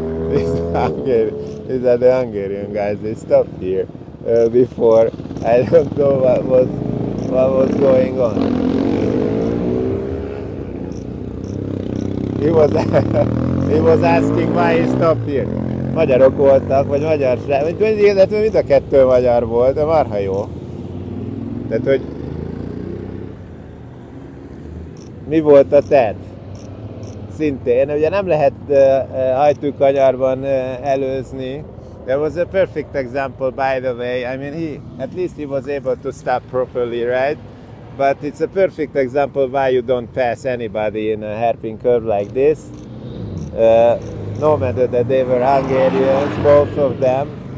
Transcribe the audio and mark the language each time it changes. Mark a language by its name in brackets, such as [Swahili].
[English] Is that the Hungarian guys? They stopped here before. I don't know what was going on. He was asking why he stopped here. [Hungarian] Magyarok voltak, vagy magyar srác. Mind a kettő magyar volt, de marha jó. Tehát, hogy mi volt a terv? Szintén, ugye nem lehet hajtókanyarban előzni. [English] That was a perfect example, by the way. I mean, at least he was able to stop properly, right? But it's a perfect example why you don't pass anybody in a hairpin curve like this. No matter that they were Hungarians, both of them.